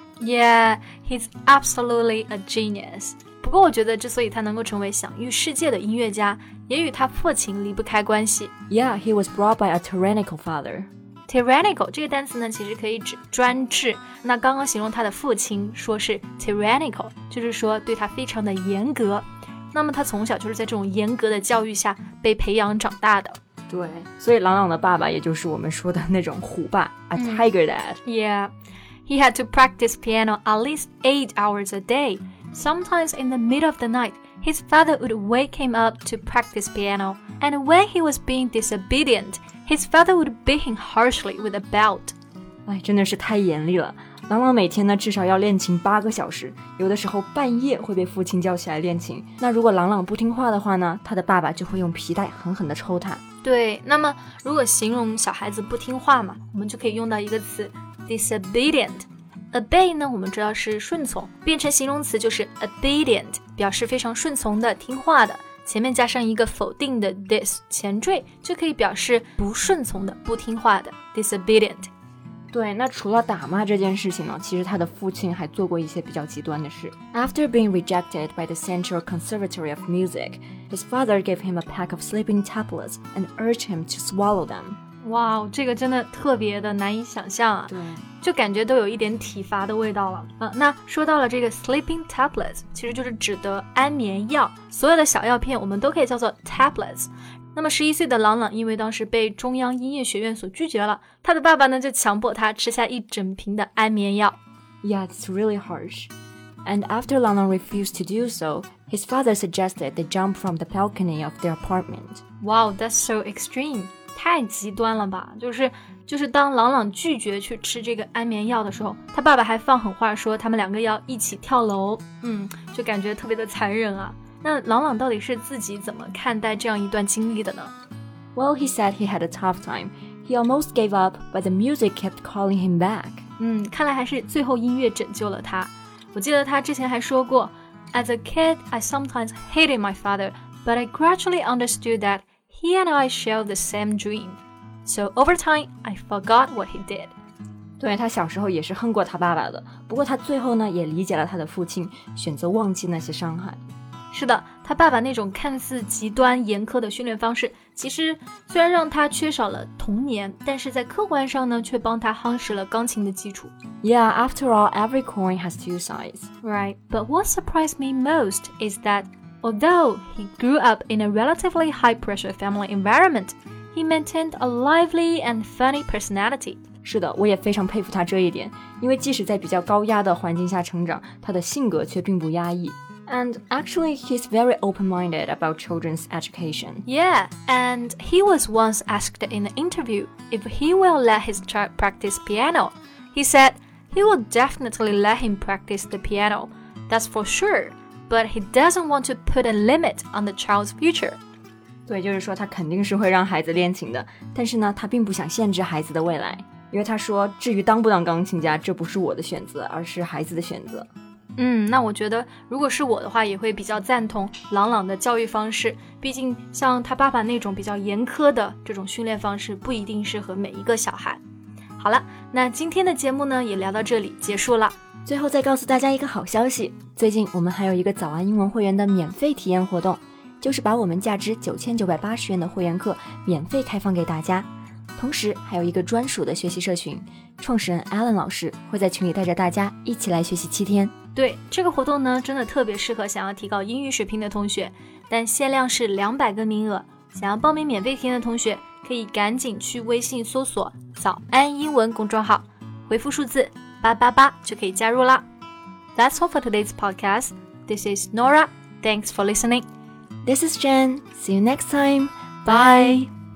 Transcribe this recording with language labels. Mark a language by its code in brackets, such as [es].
[en] Yeah, he's absolutely a genius. [zh] 不过我觉得之所以他能够成为享誉世界的音乐家，也与他父亲离不开关系。 [en] Yeah, he was brought by a tyrannical father. [zh] Tyrannical 这个单词呢，其实可以指专制。那刚刚形容他的父亲说是 tyrannical， 就是说对他非常的严格。那么他从小就是在这种严格的教育下被培养长大的。对，所以朗朗的爸爸也就是我们说的那种虎爸， [en] a tiger dad. Yeah. He had to practice piano at least 8 hours a day. Sometimes in the middle of the night, his father would wake him up to practice piano. And when he was being disobedient, his father would beat him harshly with a belt. [zh] 哎，真的是太严厉了。朗朗每天呢，至少要练琴8个小时，有的时候半夜会被父亲叫起来练琴。那如果朗朗不听话的话呢，他的爸爸就会用皮带狠狠地抽他。对，那么如果形容小孩子不听话嘛，我们就可以用到一个词disobedient。 Obey 呢，我们知道是顺从，变成形容词就是 obedient， 表示非常顺从的、听话的。前面加上一个否定的 dis 前缀，就可以表示不顺从的、不听话的 disobedient。对，那除了打骂这件事情呢，其实他的父亲还做过一些比较极端的事。 [en] After being rejected by the Central Conservatory of Music, his father gave him a pack of sleeping tablets and urged him to swallow them. [zh] 哇，这个真的特别的难以想象啊！对，就感觉都有一点体罚的味道了。那说到了这个 sleeping tablets， 其实就是指的安眠药，所有的小药片我们都可以叫做 tablets。那么11岁的朗朗因为当时被中央音乐学院所拒绝了，他的爸爸呢就强迫他吃下一整瓶的安眠药。 [en] Yeah, it's really harsh. And after朗朗refused to do so, his father suggested they jump from the balcony of their apartment. Wow, that's so extreme. [zh] 太极端了吧。就是当朗朗拒绝去吃这个安眠药的时候，他爸爸还放狠话说他们两个要一起跳楼。就感觉特别的残忍啊。那朗朗到底是自己怎么看待这样一段经历的呢？ [en] Well, he said he had a tough time. He almost gave up, but the music kept calling him back. [zh] 看来还是最后音乐拯救了他。我记得他之前还说过， [en] As a kid, I sometimes hated my father, but I gradually understood that he and I share the same dream. So over time, I forgot what he did. [zh] 对，他小时候也是恨过他爸爸的，不过他最后呢也理解了他的父亲，选择忘记那些伤害。是的，他爸爸那种看似极端严苛的训练方式，其实虽然让他缺少了童年，但是在客观上呢却帮他夯实了钢琴的基础。 [en] Yeah, after all, every coin has two sides. Right, but what surprised me most is that although he grew up in a relatively high-pressure family environment, he maintained a lively and funny personality. [zh] 是的，我也非常佩服他这一点，因为即使在比较高压的环境下成长，他的性格却并不压抑。 [en] And actually, he's very open-minded about children's education. Yeah, and he was once asked in an interview if he will let his child practice piano. He said he will definitely let him practice the piano, that's for sure, but he doesn't want to put a limit on the child's future. [zh] 对，就是说他肯定是会让孩子练琴的，但是呢，他并不想限制孩子的未来。因为他说，至于当不当钢琴家，这不是我的选择，而是孩子的选择。那我觉得如果是我的话，也会比较赞同朗朗的教育方式。毕竟像他爸爸那种比较严苛的这种训练方式，不一定适合每一个小孩。好了，那今天的节目呢，也聊到这里结束了。最后再告诉大家一个好消息，最近我们还有一个早安英文会员的免费体验活动，就是把我们价值9980元的会员课免费开放给大家，同时还有一个专属的学习社群，创始人 Alan 老师会在群里带着大家一起来学习7天。对，这个活动呢真的特别适合想要提高英语水平的同学，但限量是200个名额，想要报名免费体验的同学可以赶紧去微信搜索早安英文公众号，回复数字888就可以加入了。 [en] That's all for today's podcast. This is Nora. Thanks for listening. This is Jen. See you next time. Bye.